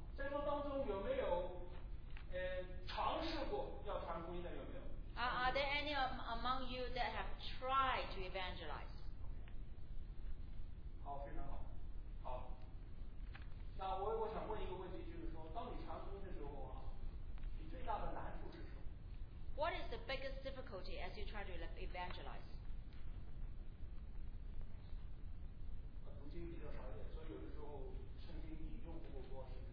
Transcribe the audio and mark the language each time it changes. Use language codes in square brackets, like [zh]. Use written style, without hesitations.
[zh] 在座当中有没有尝试过要传福音的有没有 [en] Are there any among you that have tried to evangelize? [zh] 好，非常好。好，那我想问一个问题，就是说当你传福音的时候啊，你最大的难处是什么？ [en] What is the biggest difficulty as you try to evangelize? [zh] 读经比较少一点，所以有的时候圣经引用不够多。